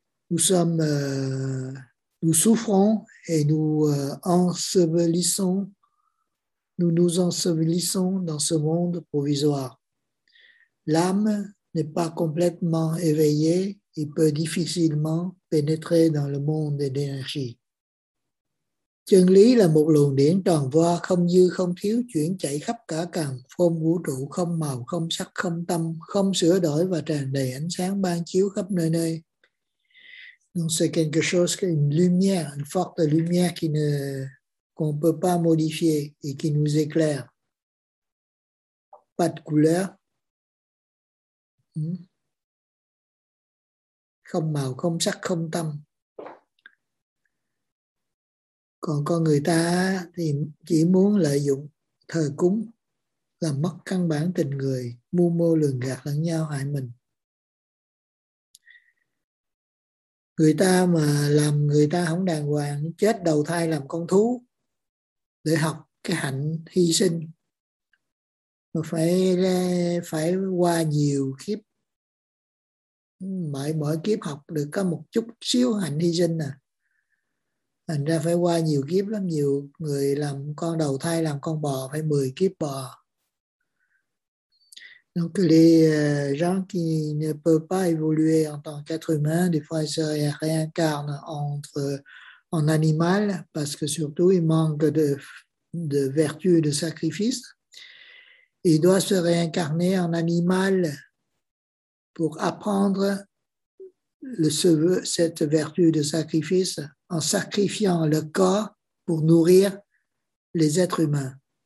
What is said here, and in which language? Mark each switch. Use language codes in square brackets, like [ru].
[fr] Nous souffrons et nous ensevelissons dans ce monde provisoire. L'âme n'est pas complètement éveillée et peut difficilement pénétrer dans le monde d'énergie. [vi] Chân lý là một luồng điển tròn vo, không dư không thiếu, chuyển chạy khắp cả càn khôn vũ trụ, không màu, không sắc, không tâm, không sửa đổi và tràn đầy ánh sáng ban chiếu khắp nơi nơi. [fr] Donc c'est quelque chose, une lumière, une forte lumière qu'on ne peut pas modifier et qui nous éclaire. Pas de couleur. [vi] Không màu, không sắc, không tâm. Còn con người ta thì chỉ muốn lợi dụng thờ cúng, làm mất căn bản tình người, mưu mô lường gạt lẫn nhau hại mình. Người ta mà làm người ta không đàng hoàng, chết đầu thai làm con thú để học cái hạnh hy sinh. Mà phải qua nhiều kiếp, mỗi kiếp học được có một chút xíu hạnh hy sinh à. Thành ra phải qua nhiều kiếp lắm, nhiều người làm con đầu thai làm con bò, phải 10 kiếp bò. [fr] Donc les gens qui ne peuvent pas évoluer en tant qu'être humain, des fois ils se réincarnent en animal, parce que surtout ils manquent de vertu et de sacrifice. Ils doivent se réincarner en animal pour apprendre cette vertu de sacrifice en sacrifiant le corps pour nourrir les êtres humains.